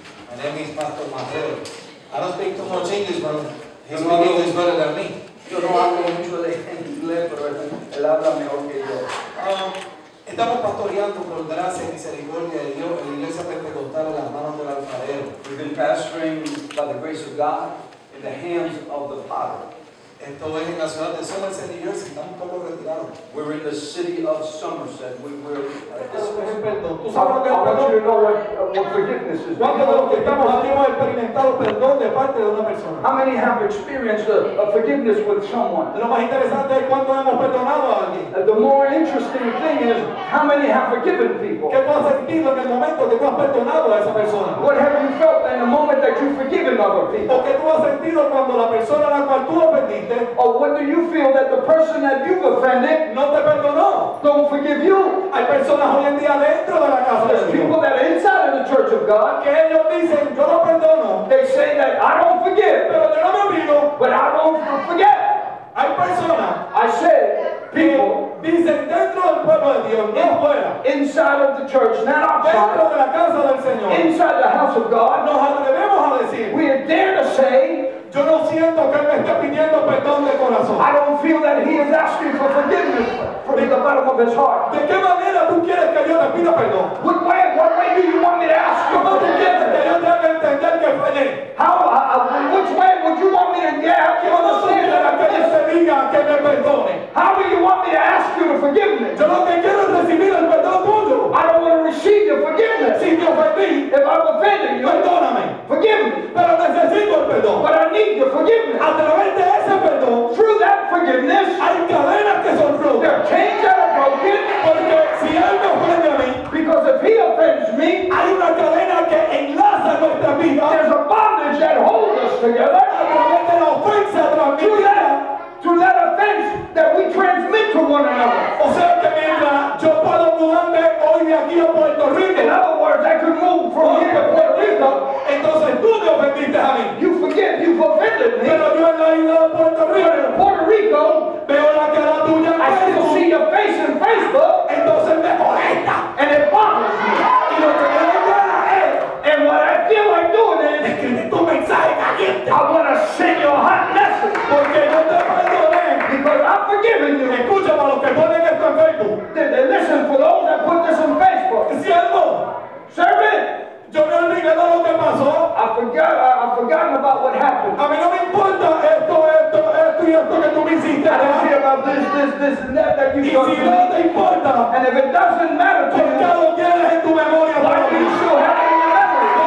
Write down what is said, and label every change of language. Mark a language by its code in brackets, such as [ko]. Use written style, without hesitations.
[en] My name is Pastor Marrero. I don't speak too much English, but he's no English better than me. [es] Yo no hablo mucho de inglés, pero él habla mejor que yo. Estamos pastoreando por gracia y misericordia de Dios en la iglesia pentecostal en las manos del alfarero. [en] We've been pastoring by the grace of God in the hands of the potter. [es] Esto es en la ciudad de Somerset, New Jersey. Estamos un poco retirados. [en] We're in the city of Somerset. We were at this [es] perdón. [en] How many have experienced a forgiveness with someone? [es] Lo más interesante es cuánto hemos perdonado a alguien. [en] The more interesting thing is how many have forgiven people. [es] ¿Qué has sentido en el momento que tú has perdonado a esa persona? [en] What have you felt in the moment that you've forgiven other people? [es] ¿O qué tú has sentido cuando la persona a la cual tú ofendiste? [en] Or what do you feel that the person that you've offended [es] no te perdonó, [en] don't forgive you? [es] Hay personas hoy en día dentro de la casa de Dios. [en] People that are inside of the church of God, [es] que ellos dicen, yo no perdono. [en] They say that I don't forgive, [es] pero yo no me olvido. [en] But I don't forget. [es] Hay personas, [en] I said, people [es] dicen dentro del pueblo de Dios, no fuera. [en] Inside of the church, not outside. [es] Dentro de la casa del Señor. [en] Inside the house of God, [es] nos atrevemos a decir. [en] We are dare to say. [es] Yo no siento que él me esté pidiendo perdón de corazón. [en] I don't feel that he is asking for forgiveness from the bottom of his heart. [es] ¿De qué manera tú quieres que yo te pida perdón? [en] What way do you want me to ask you? [es] ¿Cómo tú quieres que yo te haga entender que fue él? [en] Which way would you want me to get? [es] ¿Cómo tú quieres que yo te diga que me perdone? [en] How do you want me to ask you to forgive me? [es] Yo lo que quiero es recibir el perdón tuyo. [en] I don't want to receive your forgiveness. [es] Si te ofendí, [en] if I'm offending you, [es] perdóname. [en] Forgive me. [es] Pero necesito el perdón. [en] But I need your forgiveness. [es] A través de ese perdón, [en] through that forgiveness, [es] hay cadenas que son rotas. [en] There are chains that are broken. [es] Porque si él me ofende a mí, [en] because if he offends me, [es] hay una cadena que enlaza nuestra vida. [en] There's a bondage that holds us together. [es] A través de la ofensa transmitida. [en] Through that offense that we transmit to one another. [es] O sea que mientras yo puedo mudarme hoy de aquí a Puerto Rico. [en] In other words, I could move from here to Puerto Rico. [es] Entonces tú me ofendiste a mí. [en] You forget, you've offended me. [es] Pero yo en la isla de Puerto Rico. [en] But in Puerto Rico, [es] veo la cara tuya en Facebook. [en] I still see your face in Facebook. [es] Entonces me molesta. [en] And it bothers me. [es] Y lo que quiero hacer es. [en] And what I feel like doing is. [es] Escribir tu mensaje caliente. [en] I want to send you a hot message. [es] Porque yo te [en] giving you. [es] Escucha para los que ponen esto en Facebook. [en] They listen for those that put this on Facebook. [es] ¿Es cierto? [en] Servant, [es] yo me olvidé de lo que pasó. [en] I forgot about what happened. [es] A mí no me importa esto y esto que tú me hiciste. [en] I don't care about this and that you've done. [es] Y si no te importa. [en] And if it doesn't matter to you. [es] ¿Por qué lo tienes en tu memoria? [en] Why do you still have it in your memory?